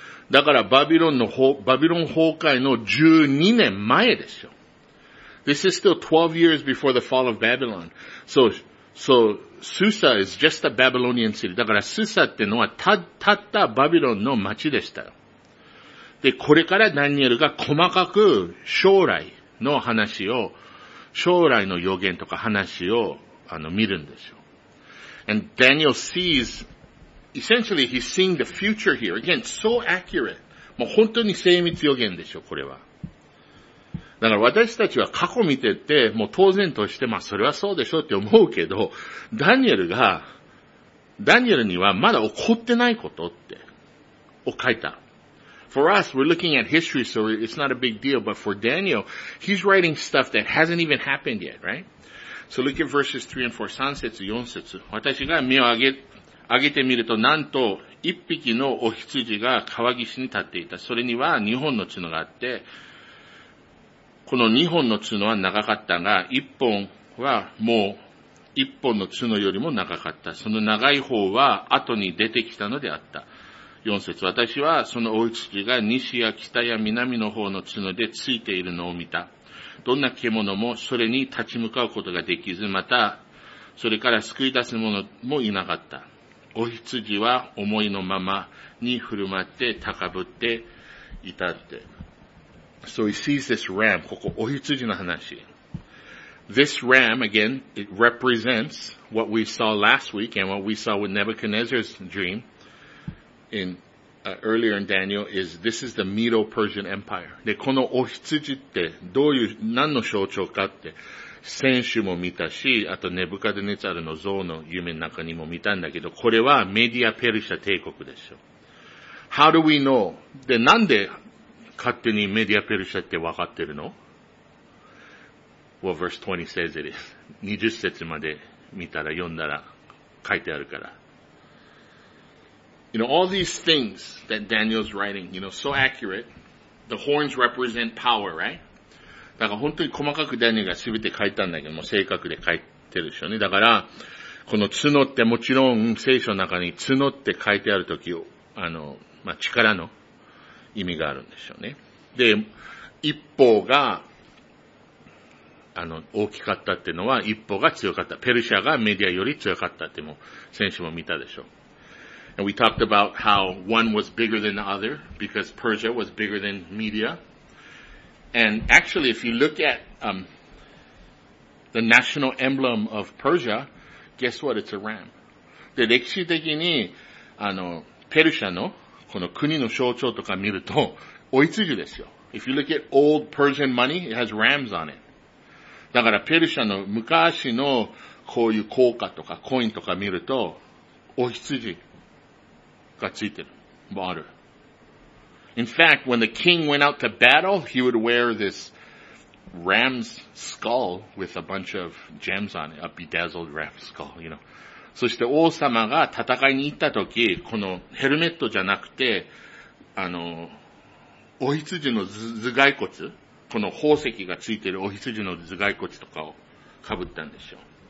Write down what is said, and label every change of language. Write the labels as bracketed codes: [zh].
[ja] だからバビロン崩壊の12年前ですよ。 [en] This is still 12 years before the fall of Babylon. So, Susa is just a Babylonian city. [ja] だから Susa ってのはたったバビロンの町でした。で、これからダニエルが細かく将来の予言とか話を、あの、見るんですよ。 [en] And Daniel sees, essentially he's seeing the future here. Again, so accurate. [ja] もう本当に精密予言でしょ、これは。だから私たちは過去見てて、もう当然として、まあそれはそうでしょうって思うけど、ダニエルにはまだ起こってないことって、を書いた。 [en] For us, we're looking at history, so it's not a big deal, but for Daniel, he's writing stuff that hasn't even happened yet, right? So look at verses 3 and 4, [ja] 3節、4節。私が目を上げてみると、なんと、一匹のお羊が川岸に立っていた。それには2本の角があって、この2本の角は長かったが、1本はもう1本の角よりも長かった。その長い方は後に出てきたのであった。4節、私はそのお羊が西や北や南の方の角でついているのを見た。どんな獣もそれに立ち向かうことができず、またそれから救い出す者もいなかった。お羊は思いのままに振る舞って高ぶっていたって。 [en] So he sees this ram, [ja] ここ、お羊の話。 [en] This ram, again, it represents what we saw last week and what we saw with Nebuchadnezzar's dream in,、earlier in Daniel is this is the Medo-Persian Empire. [ja] で、このお羊ってどういう、何の象徴かって、先週も見たし、あとネブカデネツァルの像の夢の中にも見たんだけど、これはメディア・ペルシャ帝国でしょ。 [en] How do we know? [ja] で、なんで、勝手にメディアペルシャって分かってるの？ [en] Well, verse 20 says it is. [ja] 20節まで見たら読んだら書いてあるから。 [en] You know, all these things that Daniel's writing, you know, so accurate. The horns represent power, right? [ja] だから本当に細かくダニエルが全て書いたんだけども、正確で書いてるでしょうね。だから、この角ってもちろん聖書の中に角って書いてあるときを、あの、まあ、力の、意味があるんでしょうね。で、一方が、あの、大きかったっていうのは、一方が強かった。ペルシャがメディアより強かったっても、先週も見たでしょう。 [en] And we talked about how one was bigger than the other, because Persia was bigger than media. And actually, if you look at, the national emblem of Persia, guess what? It's a ram. [ja] で、歴史的に、あの、ペルシャの、この国の象徴とか見ると、お羊ですよ。 [en] If you look at old Persian money, it has rams on it. [ja] だからペルシャの昔のこういう硬貨とかコインとか見ると、お羊がついてる。 [en] Water. In fact, when the king went out to battle, he would wear this ram's skull with a bunch of gems on it. A bedazzled ram skull, you know. [ja] そして王様が戦いに行ったとき、このヘルメットじゃなくて、あの、お羊の頭蓋骨、この宝石がついているお羊の頭蓋骨とかを被ったんでしょう。